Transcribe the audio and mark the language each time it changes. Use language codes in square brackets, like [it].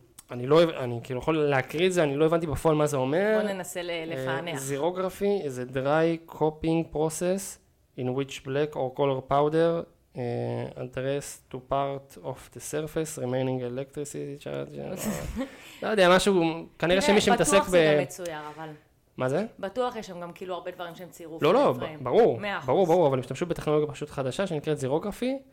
[he] אני לא, אני כאילו יכול להקריא את זה, אני לא הבנתי בפועל מה זה אומר. בוא ננסה לפענח. [en] Xerography is a dry copying process in which black or color powder address to part of the surface remaining electricity charge. [he] לא יודע, משהו, כנראה שמי שמתעסק ב... בטוח זה גם מצויר, אבל... מה זה? בטוח יש שם גם כאילו הרבה דברים שהם צירוף. לא, ברור. ברור, ברור, אבל משתמשו בטכנולוגיה פשוט חדשה שנקראת Xerography.